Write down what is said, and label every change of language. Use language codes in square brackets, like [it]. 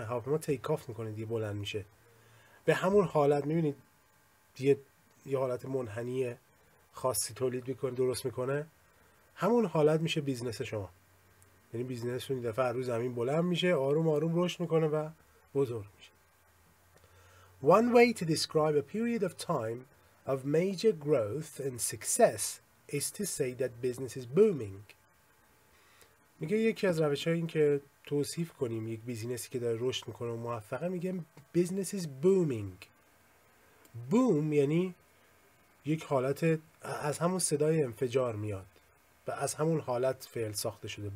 [fa] هواپیما take off میکنه دیگه، بلند میشه. به همون حالت میبینید یه حالت منحنی خاصی تولید میکنه، درست میکنه، همون حالت میشه بیزنس شما. یعنی بیزنستون این دفعه روز زمین بلند میشه، آروم آروم رشد میکنه و بزرگ میشه. [en] One way to describe a period of time of major growth and success is to say that business is booming. [fa] میگه یکی از روش‌های این که توصیف کنیم یک بیزینسی که داره رشد میکنه و موفقه، میگه [en] business is booming. [fa] Boom یعنی یک حالت، از همون صدای انفجار میاد و از همون حالت فعل ساخته شده.